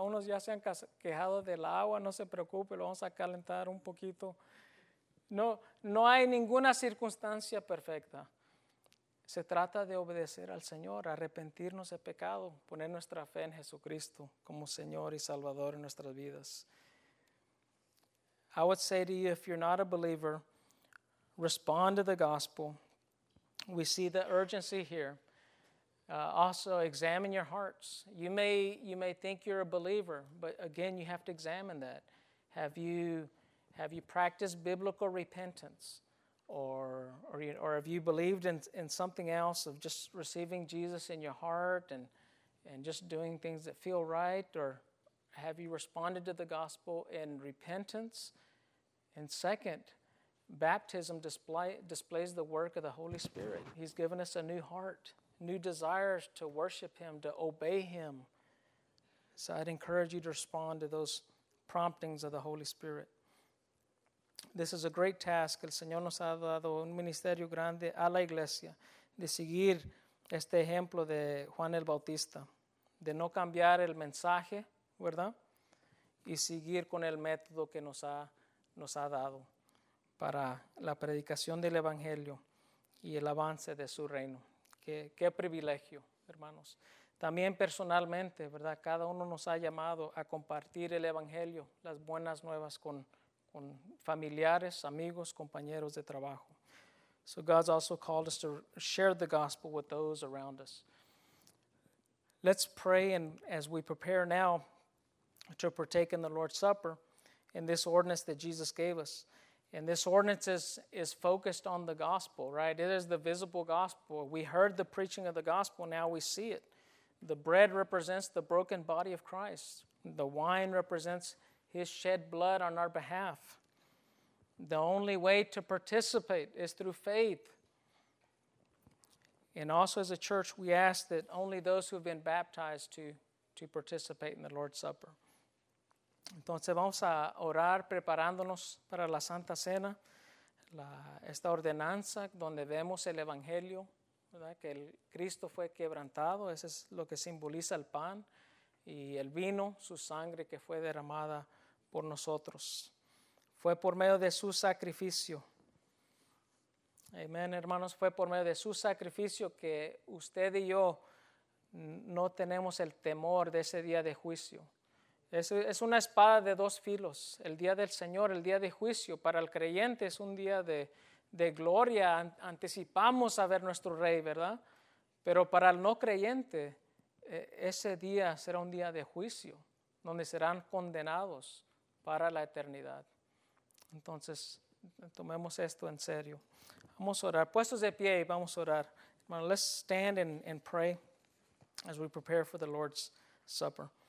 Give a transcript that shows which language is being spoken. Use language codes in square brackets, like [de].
[es] Unos ya se han quejado del agua, no se preocupe, lo vamos a calentar un poquito. No hay ninguna circunstancia perfecta. Se trata de obedecer al Señor, arrepentirnos de pecado, poner nuestra fe en Jesucristo como Señor y Salvador en nuestras vidas. [en] I would say to you, if you're not a believer, respond to the gospel. We see the urgency here. Also, examine your hearts. You may think you're a believer, but again, you have to examine that. Have you practiced biblical repentance? Or have you believed in something else of just receiving Jesus in your heart and just doing things that feel right? Or have you responded to the gospel in repentance? And second, baptism displays the work of the Holy Spirit. He's given us a new heart, new desires to worship Him, to obey Him. So I'd encourage you to respond to those promptings of the Holy Spirit. This is a great task. [es] El Señor nos ha dado un ministerio grande a la iglesia de seguir este ejemplo de Juan el Bautista, de no cambiar el mensaje, ¿verdad? Y seguir con el método que nos ha dado para la predicación del evangelio y el avance de su reino. Qué privilegio, hermanos. También personalmente, ¿verdad? Cada uno nos ha llamado a compartir el evangelio, las buenas nuevas con familiares, amigos, compañeros de trabajo. [en] So God's also called us to share the gospel with those around us. Let's pray, and as we prepare now to partake in the Lord's Supper, in this ordinance that Jesus gave us. And this ordinance is focused on the gospel, right? It is the visible gospel. We heard the preaching of the gospel, now we see it. The bread represents the broken body of Christ. The wine represents His shed blood on our behalf. The only way to participate is through faith. And also as a church, we ask that only those who have been baptized to participate in the Lord's Supper. [es] Entonces vamos a orar preparándonos para la Santa Cena, esta ordenanza donde vemos el Evangelio, ¿verdad? Que el Cristo fue quebrantado, eso es lo que simboliza el pan y el vino, su sangre que fue derramada por nosotros. Fue por medio de su sacrificio. Amén, hermanos, fue por medio de su sacrificio que usted y yo no tenemos el temor de ese día de juicio. Es una espada de dos filos. El día del Señor, el día de juicio, para el creyente es un día de gloria. Anticipamos a ver nuestro Rey, ¿verdad? Pero para el no creyente, ese día será un día de juicio, donde serán condenados para la eternidad. Entonces, tomemos esto en serio. Vamos a orar. Puestos de pie, vamos a orar. [en] Well, let's stand and pray as we prepare for the Lord's Supper.